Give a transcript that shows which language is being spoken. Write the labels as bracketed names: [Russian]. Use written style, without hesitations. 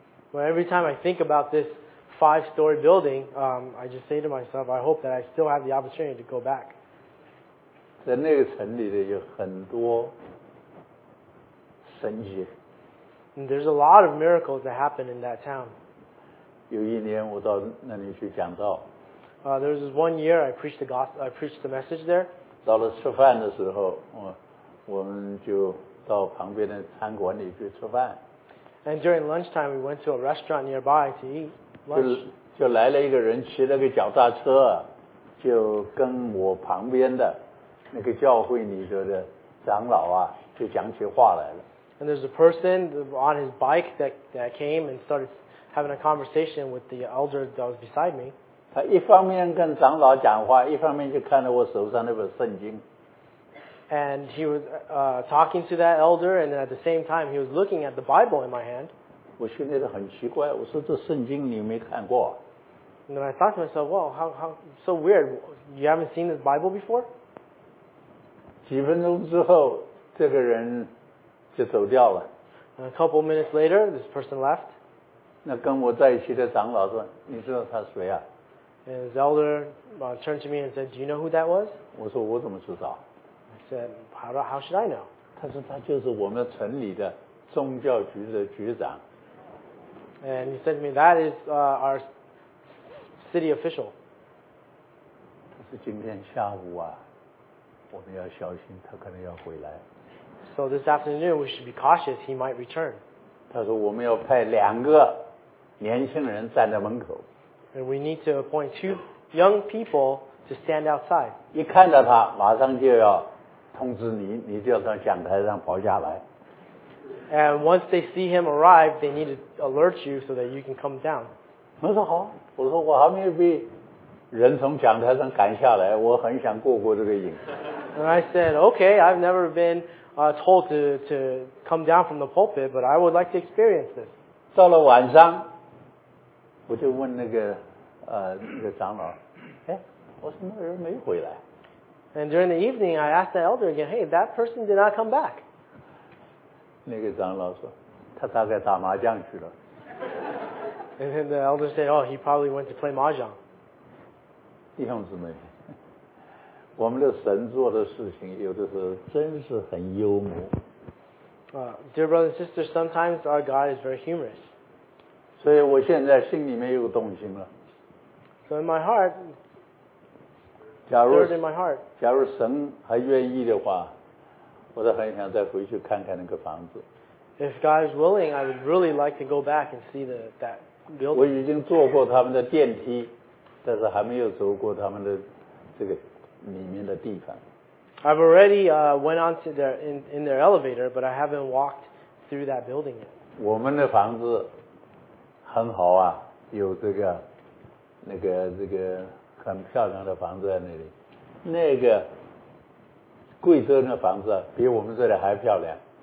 [English] Well, every time I think about this 5-story building, I just say to myself, I hope that I still have the opportunity to go back. [Chinese] 在那个城里的有很多神迹。 [English] There's a lot of miracles that happen in that town. [Chinese] 有一年我到那里去讲道。 [English] There was this one year I preached the gospel, I preached the message there. [Chinese] 到了吃饭的时候，我们就到旁边的餐馆里去吃饭。 [English] And during lunchtime, we went to a restaurant nearby to eat lunch. [Chinese] 就来了一个人骑了个脚踏车，就跟我旁边的。那个教会里头的长老啊，就讲起话来了。 [English] And there's a person on his bike that came and started having a conversation with the elder that was beside me. [Chinese] 他一方面跟长老讲话，一方面就看着我手上那本圣经。 [English] And he was talking to that elder, and at the same time, he was looking at the Bible in my hand. [Chinese] 我心里头很奇怪，我说这圣经你没看过。 [English] And then I thought to myself, well, how so weird? You haven't seen this Bible before? [Chinese] 几分钟之后，这个人就走掉了。 [English] A couple minutes later, this person left. [Chinese] 那跟我在一起的长老说：“你知道他谁啊？” [English] And his elder turned to me and said, "Do you know who that was?" [Chinese] 我说：“我怎么知道？” [English] I said, "How should I know?" [Chinese] 他说：“他就是我们城里的宗教局的局长。” [English] And he said to me, "That is our city official." [Chinese] 他是今天下午啊。我们要小心，他可能要回来。 [English] So this afternoon we should be cautious. He might return. [Chinese] 他说我们要派两个年轻人站在门口。 [English] And we need to appoint 2 young people to stand outside. [Chinese] 一看到他，马上就要通知你，你就要从讲台上跑下来。 [English] And once they see him arrive, they need to alert you so that you can come down. [Chinese] 我说好，我说我还没有被。人从讲台上赶下来，我很想过过这个瘾。 [English] And I said, okay, I've never been told to come down from the pulpit, but I would like to experience this. [Chinese] 到了晚上，我就问那个长老，我说那人没回来。 [English] And during the evening, I asked the elder again, hey, that person did not come back. [Chinese] 那个长老说，他大概打麻将去了。 [English] And then the elder said, oh, he probably went to play mahjong. [Chinese] 弟兄姊妹，我们的神做的事情有的时候真是很幽默。 [English] Dear brothers and sisters, sometimes our God is very humorous. [Chinese] 所以我现在心里面有动心了。 [English] So in my heart, stirred in my heart. [Chinese] 假如神还愿意的话，我都很想再回去看看那个房子。 [English] If God is willing, I would really like to go back and see that building. [Chinese] 我已经坐过他们的电梯，但是还没有走过他们的这个里面的地方。 [English] I've already went on to their in their elevator, but I haven't walked through that building yet. [Chinese] 我们的房子很好啊，有这个那个这个很漂亮的房子在那里。那个贵州的房子比我们这里还漂亮。